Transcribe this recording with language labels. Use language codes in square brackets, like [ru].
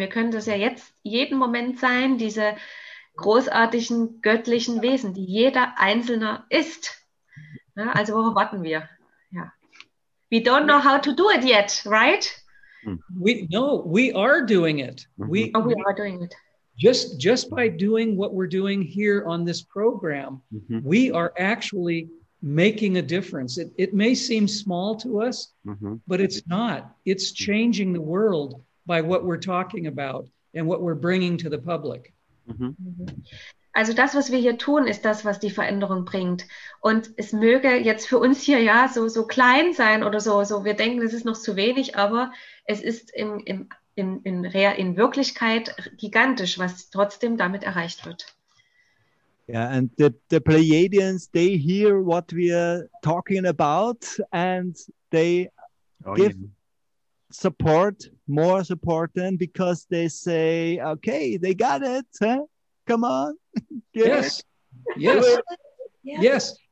[de] Wir können das ja jetzt jeden Moment sein, diese großartigen göttlichen Wesen, die jeder Einzelne ist. Ja, also worauf warten wir? Ja. [en] We don't know how to do it yet, right? We are doing it. We are doing it. Just by doing what we're doing here on this program, mm-hmm. we are actually making a difference. It may seem small to us, mm-hmm. but it's not. It's changing the world by what we're talking about and what we're bringing to the public. Mhm. [de] Also das, was wir hier tun, ist das, was die Veränderung bringt. Und es möge jetzt für uns hier ja so klein sein oder so. Wir denken, das ist noch zu wenig, aber es ist in Wirklichkeit gigantisch, was trotzdem damit erreicht wird. [en] Yeah, and the Pleiadians, they hear what we are talking about and they give support. More support then, because they say, okay, they got it. Huh? Come on. Yes. Yes. Yes.